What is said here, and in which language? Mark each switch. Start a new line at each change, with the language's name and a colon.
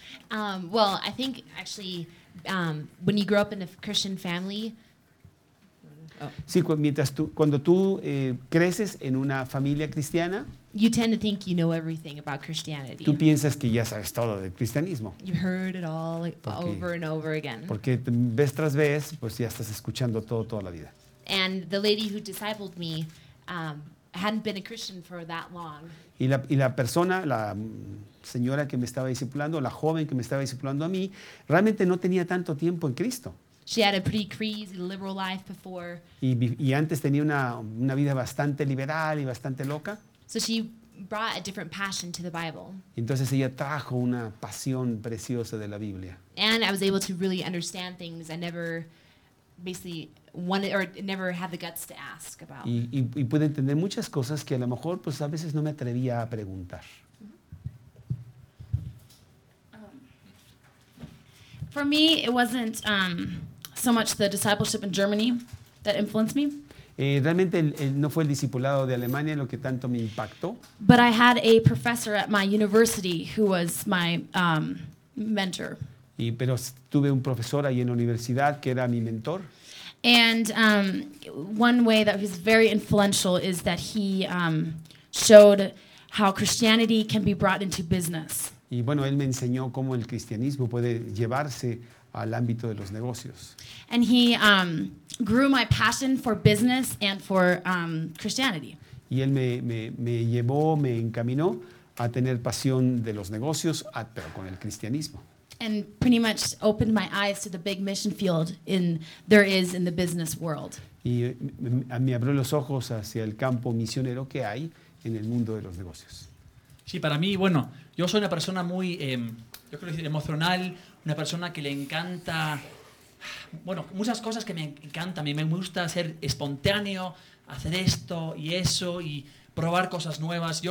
English: Well, I think actually when you grow up in a Christian family.
Spanish: Sí, cuando tú creces en una familia cristiana.
English: You tend to think you know everything about Christianity.
Spanish: Tú piensas que ya sabes todo del cristianismo.
English: You've heard it all over and over again.
Spanish: Porque vez tras vez, pues ya estás escuchando todo toda la vida.
English: And the lady who discipled me hadn't been a Christian for that long.
Spanish: Y la señora que me estaba discipulando, la joven que me estaba discipulando a mí, realmente no tenía tanto tiempo en Cristo.
English: She had a pretty crazy liberal life before.
Spanish: Y antes tenía una vida bastante liberal y bastante loca.
English: So she brought a different passion to the Bible.
Spanish: Entonces ella trajo una pasión preciosa de la Biblia.
English: And I was able to really understand things I never basically wanted or never had the guts to ask about.
Spanish: Y pude entender muchas cosas que a lo mejor pues a veces no me atrevía a preguntar.
English: For me, it wasn't so much the discipleship in Germany that influenced me.
Spanish: Realmente no fue el discipulado de Alemania lo que tanto me impactó.
English: But I had a professor at my university who was my mentor.
Spanish: Pero tuve un profesor ahí en la universidad que era mi mentor.
English: And one way that was very influential is that he showed how Christianity can be brought into business.
Spanish: Y bueno, él me enseñó cómo el cristianismo puede llevarse al ámbito de los negocios.
English: And he grew my passion for business and for Christianity.
Spanish: Y él me llevó, me encaminó a tener pasión de los negocios, pero con el cristianismo.
English: And pretty much opened my eyes to the big mission field in the business world.
Spanish: Y me abrió los ojos hacia el campo misionero que hay en el mundo de los negocios. Sí, para mí, bueno, yo soy una persona muy, yo creo decir, emocional, una persona que le encanta, bueno, muchas cosas que me encantan. A mí me gusta ser espontáneo, hacer esto y eso y probar cosas nuevas.